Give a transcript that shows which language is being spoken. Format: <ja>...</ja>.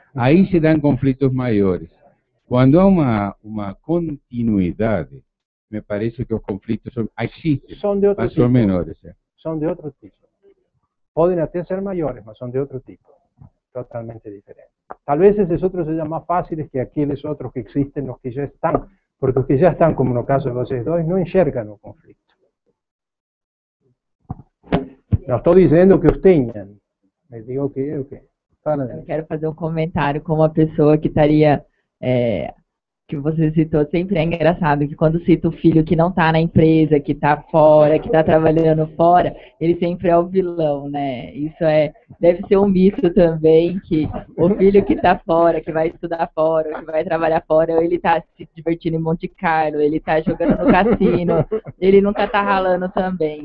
<pt>Aí se dão conflitos maiores. Quando há uma continuidade, me parece que os conflitos existem, mas são menores. São de outro tipo. Podem até ser maiores, mas são de outro tipo. Totalmente diferente. Tal vez esses outros sejam mais fáceis que aqueles outros que existem, os que já estão,</pt> <es>porque los que ya están, como en el caso de ustedes dos, no enxergan el conflicto. No estoy diciendo que ustedes tengan, me digo que es lo que...</es> <pt>Eu quero fazer um comentário com uma pessoa que estaria, que você citou, sempre é engraçado que quando cita o filho que não está na empresa, que está fora, que está trabalhando fora, ele sempre é o vilão, né? Isso é, deve ser um mito também, que o filho que está fora, que vai estudar fora, que vai trabalhar fora, ele está se divertindo em Monte Carlo, ele está jogando no cassino, ele nunca está ralando também.</pt>